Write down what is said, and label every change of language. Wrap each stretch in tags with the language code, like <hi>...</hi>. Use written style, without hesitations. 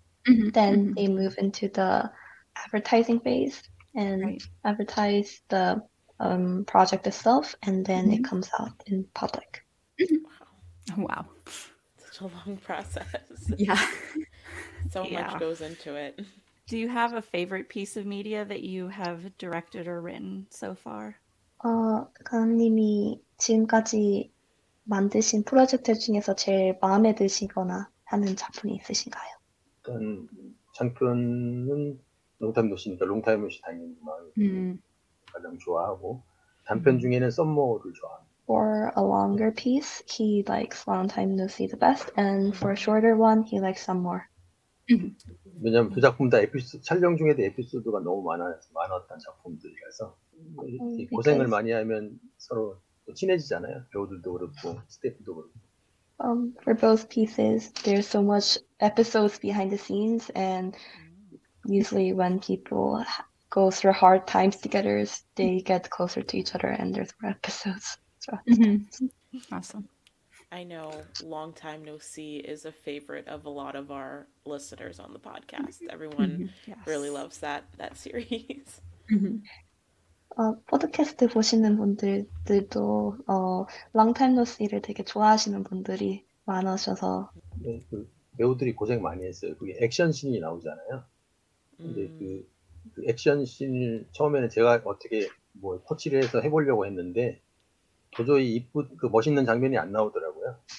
<en>They move into the advertising phase and advertise the project itself, and then it comes out in public. Wow. Such a long process. Yeah. So much goes into it. Do you have a favorite piece of media that you have directed or written so far?</en> <ko>강님이 지금까지 만드신 프로젝트 중에서 제일 마음에 드시거나 하는 작품이 있으신가요? 일단 장편은 롱타임도시니까 롱타임도시 당연히 가장 좋아하고 단편 중에는 썸머를 좋아합니다.</ko> <en>For a longer piece, he likes Long Time No See the best, and for a shorter one, he likes Summer.</en> <ko>왜냐면 그 작품 다 촬영 중에도 에피소드가 너무 많았던 작품들이라서 고생을 많이 하면 서로 친해지잖아요. 배우들도 그렇고 스태프도 그렇고.</ko> <en>For both pieces, there's so much episodes behind the scenes, and usually when people go through hard times together, they get closer to each other, and there's more episodes. So. Mm-hmm. Awesome. I know Long Time No See is a favorite of a lot of our listeners on the podcast. Everyone really loves that series. Mm-hmm.</en> <ko>팟캐스트 보시는 분들도 Long Time No See를 되게 좋아하시는 분들이 많으셔서 네, 그 배우들이 고생 많이 했어요. 그게 액션 씬이 나오잖아요. 근데 그 액션 씬을 처음에는 제가 어떻게 뭐 코치를 해서 해보려고 했는데 도저히 그 멋있는 장면이 안 나오더라고요.</ko>